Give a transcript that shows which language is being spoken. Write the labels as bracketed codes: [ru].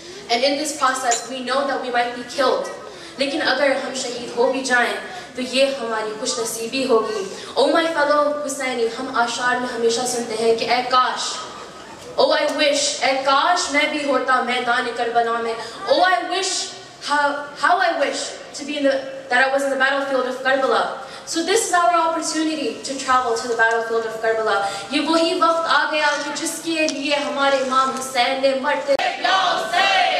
[en] And in this process we know that we might be killed [ur] لیکن اگر ہم شہید ہو بھی جائیں تو یہ ہماری خوش نصیبی ہوگی. [en] oh my fellow Husaini, [ur] ہم آشار میں ہمیشہ سنتے ہیں کہ اے کاش, [en] oh I wish, [ur] اے کاش میں بھی ہوتا میدان کربلا میں. [en] Oh I wish, how I wish to be that I was in the battlefield of Karbala. So this is our opportunity to travel to the battlefield of Karbala. [ur] یہ وہی وقت آ گیا کہ جس کے لیے ہمارے امام حسین نے مرتے.